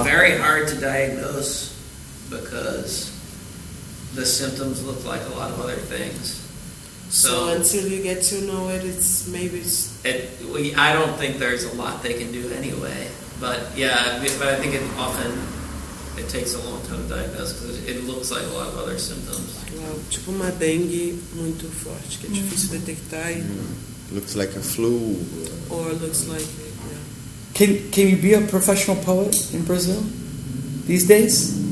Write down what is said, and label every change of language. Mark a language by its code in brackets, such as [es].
[en] It's very hard to diagnose because the symptoms look like a lot of other things. So until you get to know it, it's maybe. I don't think there's a lot they can do anyway. But I think it takes a long time to diagnose because it looks like a lot of other symptoms. [pt] Wow, tipo uma dengue muito forte, que é difícil detectar. [en] Looks like a flu. Or looks like it, yeah. Can you be a professional poet in Brazil these days?